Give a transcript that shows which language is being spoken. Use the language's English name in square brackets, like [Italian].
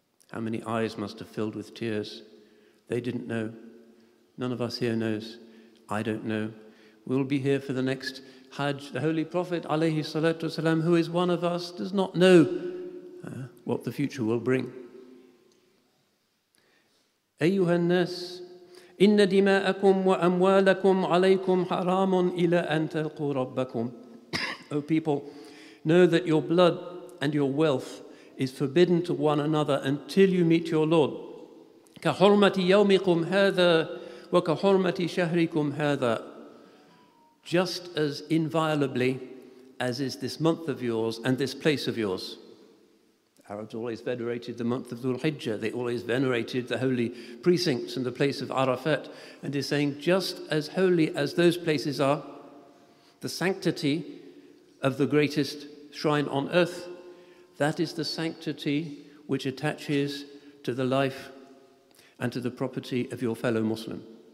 [English] How many eyes must have filled with tears? They didn't know. None of us here knows. I don't know. We'll be here for the next Hajj. The Holy Prophet, alayhi salatu wasalam, who is one of us, does not know what the future will bring. [Arabic] Ayyuhan nas, إن دماءكم وأموالكم عليكم حرام إلى أن تلقوا ربكم. [English] O people, know that your blood and your wealth is forbidden to one another until you meet your Lord. [Arabic] كحرمة يومكم هذا وكحرمة شهركم هذا. [English] Just as inviolably as is this month of yours and this place of yours. Arabs always venerated the month of Dhul-Hijjah. They always venerated the holy precincts and the place of Arafat. And he's saying, just as holy as those places are, the sanctity of the greatest shrine on earth, that is the sanctity which attaches to the life and to the property of your fellow Muslim.